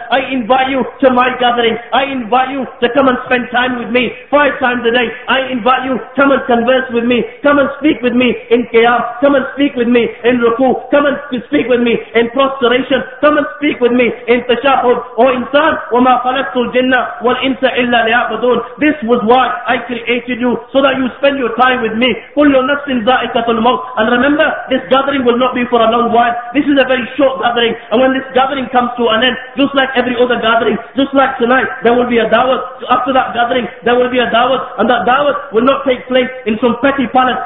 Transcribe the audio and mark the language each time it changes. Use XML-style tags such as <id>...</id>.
<en>I invite you to my gathering. I invite you to come and spend time with me 5 times a day. I invite you, come and converse with me. Come and speak with me in qiyam. Come and speak with me in ruku. Come and speak with me in prostration. Come and speak with me in tashahud.</en> <ar>O insan, وَمَا خَلَقْتُ الْجِنَّ وَالْإِنسَ إِلَّا لِيَعْبُدُونَ.</ar> <en>This was why I created you, so that you spend your time with me.</en> <ar>كُلُّ نَفْسٍ ذَائِقَةُ الْمَوْتِ.</ar> <en>And remember, this gathering will not be for a long while. This is a very short gathering. And when this gathering comes to an end, just like every other gathering, just like tonight, there will be a dawah. After that gathering, there will be a dawah. And that dawah will not take place in some petty palace.</en>